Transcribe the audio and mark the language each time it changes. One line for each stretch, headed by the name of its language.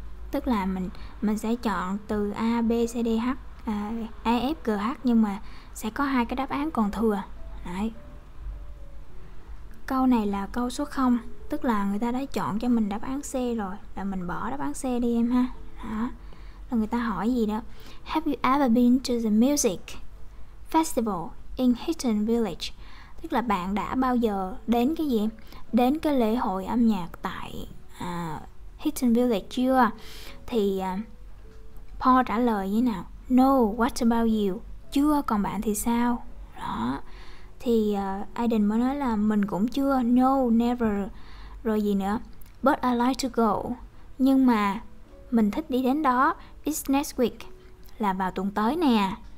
Vietnamese: Tức là mình sẽ chọn từ A, B, C, D, H, E, F, G, H, nhưng mà sẽ có hai cái đáp án còn thừa. Đấy. Câu này là câu số 0, tức là người ta đã chọn cho mình đáp án C rồi, là mình bỏ đáp án C đi em ha. Đó. Là người ta hỏi gì đó.
English: Have you ever been to the music festival in Hidden Village?
Vietnamese: Tức là bạn đã bao giờ đến cái gì? Đến cái lễ hội âm nhạc tại Hidden Village chưa? Thì Paul trả lời như thế nào?
English: No, what about you?
Vietnamese: Chưa, còn bạn thì sao? Đó. Thì Aiden mới nói là mình cũng chưa,
English: no, never,
Vietnamese: rồi gì nữa,
English: but I like to go,
Vietnamese: nhưng mà mình thích đi đến đó,
English: it's next week,
Vietnamese: là vào tuần tới nè.